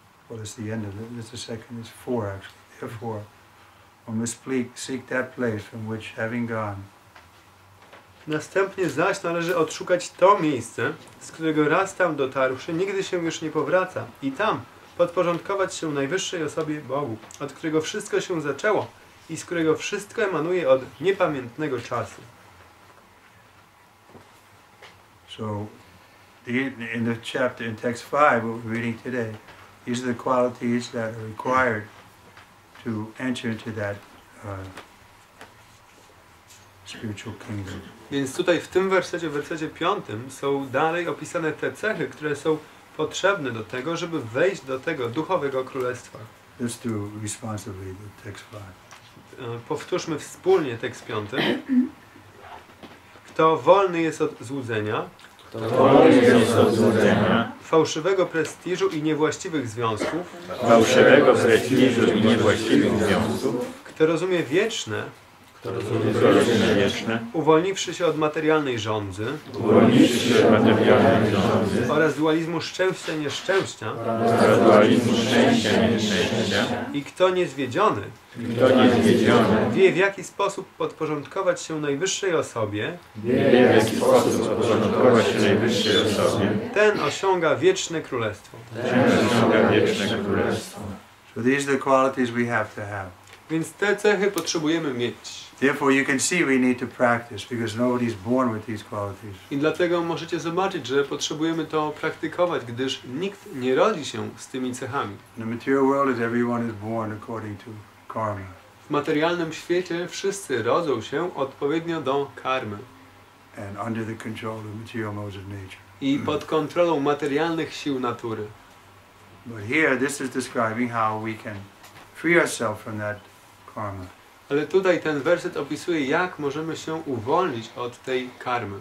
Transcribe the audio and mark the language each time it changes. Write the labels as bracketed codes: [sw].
[en] Well, it's the end of it. It's the second. It's four, actually. Therefore, one must seek that place from which, having gone. [pl] Następnie zaś należy odszukać to miejsce, z którego raz tam dotarłszy, nigdy się już nie powraca, i tam podporządkować się najwyższej osobie Bogu, od którego wszystko się zaczęło i z którego wszystko emanuje od niepamiętnego czasu. [en] So, in the chapter, in text 5, what we're reading today, these are the qualities that are required to enter into that spiritual kingdom. [pl] Więc tutaj w tym wersecie, w wersecie piątym, są dalej opisane te cechy, które są potrzebne do tego, żeby wejść do tego duchowego królestwa. [en] Let's do responsibly the text 5. [pl] Powtórzmy wspólnie tekst piąty. Kto wolny jest od złudzenia, kto wolny jest od złudzenia, fałszywego prestiżu i niewłaściwych związków, fałszywego prestiżu i niewłaściwych związków, kto rozumie wieczne, to rozumie wieczne, uwolniwszy się od materialnej żądzy, uwolniwszy się od materialnej żądzy oraz dualizmu szczęścia i nieszczęścia, oraz dualizmu szczęścia i nieszczęścia, i kto niezwiedziony, i kto niezwiedziony wie w jaki sposób podporządkować się najwyższej osobie, wie w jaki sposób podporządkować się najwyższej osobie, ten osiąga wieczne królestwo. Ten osiąga wieczne królestwo. [en] So these are the qualities we have to have. [pl] Więc te cechy potrzebujemy mieć. [en] Therefore you can see we need to practice because nobody is born with these qualities. [pl] I dlatego możecie zobaczyć, że potrzebujemy to praktykować, gdyż nikt nie rodzi się z tymi cechami. [en] In the material world everyone is born according to karma. [pl] W materialnym świecie wszyscy rodzą się odpowiednio do karmy. [en] And under the control of material modes of nature. [pl] I pod kontrolą materialnych sił natury. [en] But here this is describing how we can free ourselves from that karma. [pl] Ale tutaj ten werset opisuje, jak możemy się uwolnić od tej karmy.